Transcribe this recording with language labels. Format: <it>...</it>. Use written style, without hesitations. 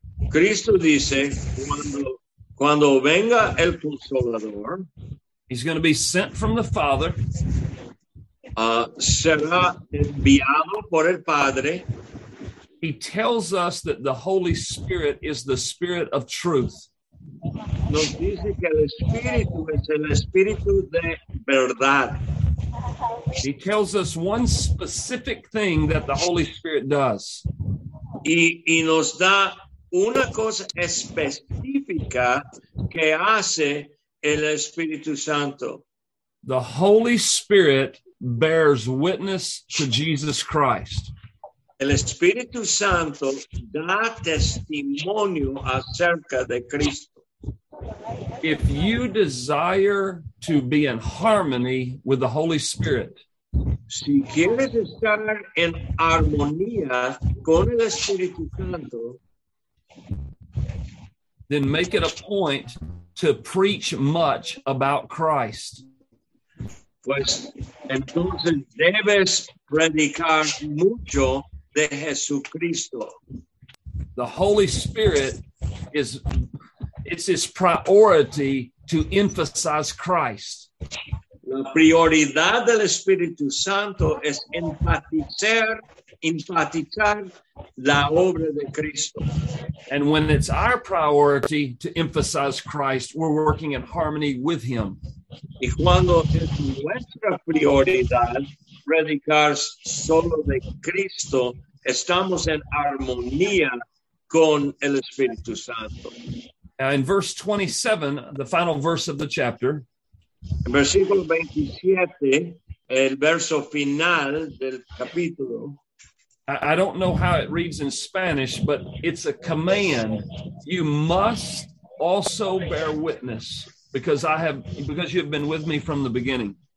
<es>Cristo dice, cuando venga el Consolador.</es> <en>He's going to be sent from the Father.</en> <es>Será enviado por el Padre.</es> <en>He tells us that the Holy Spirit is the Spirit of truth.</en> <es>Nos dice que el Espíritu es el Espíritu de verdad.</es> <en>He tells us one specific thing that the Holy Spirit does.</en> <es>Y nos da una cosa específica que hace el Espíritu Santo.</es> <en>The Holy Spirit bears witness to Jesus Christ.</en> <es>El Espíritu Santo da testimonio acerca de Cristo.</es> <en>If you desire to be in harmony with the Holy Spirit,</en> <es>si quieres estar en armonía con el Espíritu Santo,</es> <en>then make it a point to preach much about Christ.</en> <es>Pues entonces debes predicar mucho de Jesucristo.</es> <en>The Holy Spirit is... It's his priority to emphasize Christ.</en> <es>La prioridad del Espíritu Santo es enfatizar la obra de Cristo.</es> <en>And when it's our priority to emphasize Christ, we're working in harmony with him.</en> <es>Y cuando es nuestra prioridad predicar solo de Cristo, estamos en armonía con el Espíritu Santo.</es> <en>Now, in verse 27, the final verse of the chapter.</en> <es>Versículo 27, el verso final del capítulo.</es> <en>I don't know how it reads in Spanish, but it's a command. You must also bear witness because you have been with me from the beginning.</en>